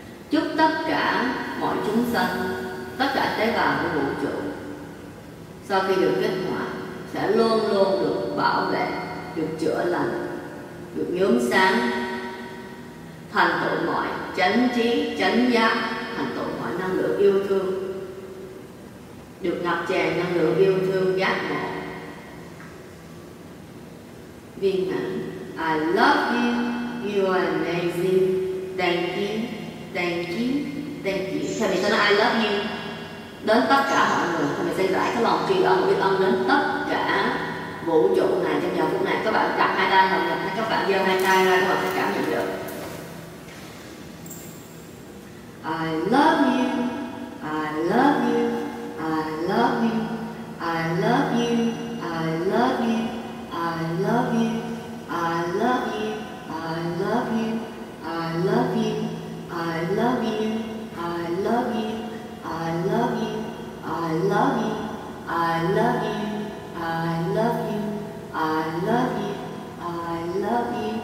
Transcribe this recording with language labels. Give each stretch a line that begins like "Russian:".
Vietnamese: Chúc tất cả mọi chúng sinh, tất cả tế bào của vũ trụ sau khi được kích hoạt sẽ luôn luôn được bảo vệ, được chữa lành, được nhóm sáng, thành tựu mọi chánh trí, chánh giác, thành tựu mọi năng lượng yêu thương, được ngập tràn năng lượng yêu thương giác ngộ viên mãn.
English: I love you, you are amazing, thank you, thank you, thank you.
Vietnamese: Thầy mình sẽ nói
English: I love you
Vietnamese: đến tất cả mọi người, thầy mình sẽ giải cái lòng tri ân biết ơn đến tất cả vũ trụ này trong giờ phút này. Các bạn đặt hai tay hợp nhất, các bạn giơ hai tay ra, các bạn sẽ cảm nhận được.
English: I love you, I love you, I love you, I love you, I love you, I love you, I love you, I love you, I love you, I love you, I love you, I love you, I love you, I love you, I love you, I love you, I love you, I love you, I love you, I love